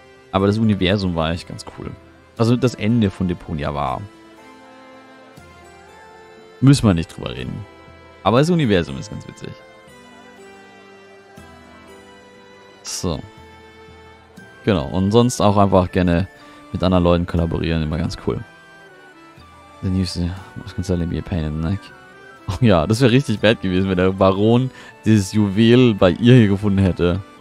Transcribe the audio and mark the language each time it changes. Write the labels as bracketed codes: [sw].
[de] Aber das Universum war echt ganz cool. Also das Ende von Deponia war. Müssen wir nicht drüber reden. Aber das Universum ist ganz witzig. So. Genau. Und sonst auch einfach gerne mit anderen Leuten kollaborieren. Immer ganz cool. [en] The news was gonna be a pain in the neck. [de] Oh ja, das wäre richtig bad gewesen, wenn der Baron dieses Juwel bei ihr hier gefunden hätte.